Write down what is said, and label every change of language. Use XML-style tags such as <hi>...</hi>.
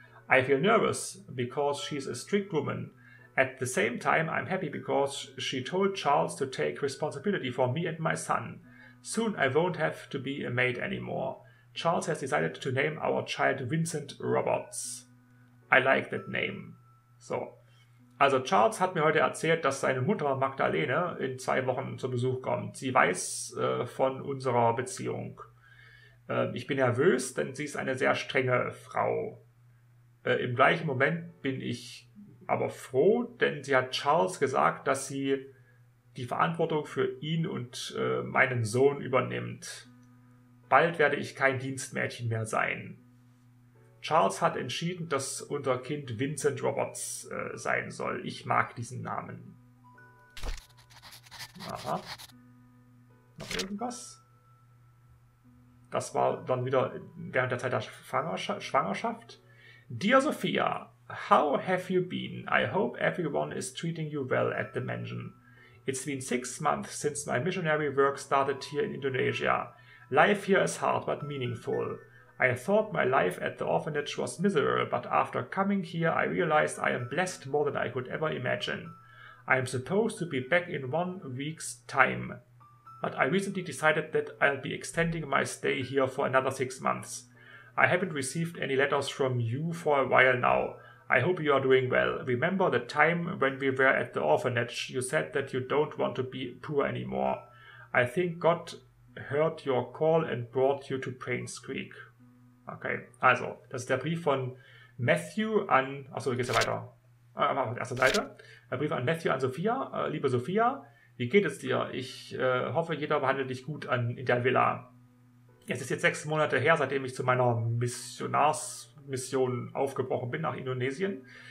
<en>I feel nervous, because she's a strict woman. At the same time, I'm happy because she told Charles to take responsibility for me and my son. Soon I won't have to be a maid anymore. Charles has decided to name our child Vincent Roberts. I like that name. So.</en> <de>Also Charles hat mir heute erzählt, dass seine Mutter Magdalene in 2 Wochen zu Besuch kommt. Sie weiß von unserer Beziehung. Ich bin nervös, denn sie ist eine sehr strenge Frau. Im gleichen Moment bin ich aber froh, denn sie hat Charles gesagt, dass sie die Verantwortung für ihn und meinen Sohn übernimmt. Bald werde ich kein Dienstmädchen mehr sein. Charles hat entschieden, dass unser Kind Vincent Roberts sein soll. Ich mag diesen Namen. Aha. Noch irgendwas? Das war dann wieder während der Zeit der Schwangerschaft.</de> <en>Dear Sophia, how have you been? I hope everyone is treating you well at the mansion. It's been 6 months since my missionary work started here in Indonesia. Life here is hard but meaningful. I thought my life at the orphanage was miserable, but after coming here I realized I am blessed more than I could ever imagine. I am supposed to be back in 1 week's time, but I recently decided that I'll be extending my stay here for another 6 months. I haven't received any letters from you for a while now. I hope you are doing well. Remember the time when we were at the orphanage? You said that you don't want to be poor anymore. I think God heard your call and brought you to Prince Creek.</en> <de>Okay, also, das ist der Brief von Matthew an... Achso, geht's ja weiter. Machen wir die erste Seite. Der Brief an Matthew an Sophia. Liebe Sophia, wie geht es dir? Ich hoffe, jeder behandelt dich gut in der Villa. Es ist jetzt 6 Monate her, seitdem ich zu meiner Missionarsmission aufgebrochen bin nach Indonesien.</de>